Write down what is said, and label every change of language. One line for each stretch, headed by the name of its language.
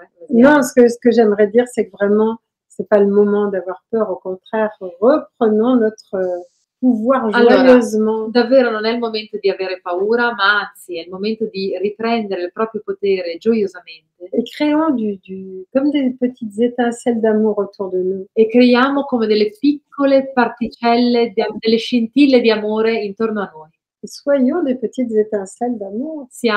French: Non, ce que j'aimerais dire, c'est que vraiment, c'est pas le moment d'avoir peur, au contraire, reprenons notre pouvoir joyeusement.
Italian: Allora, davvero non è il momento di avere paura, ma anzi, è il momento di riprendere il proprio potere gioiosamente.
French: Et créons du comme des petites étincelles d'amour autour de nous.
Italian: E creiamo come delle piccole particelle, delle scintille di amore intorno a noi.
French: Soyons des petites étincelles d'amour.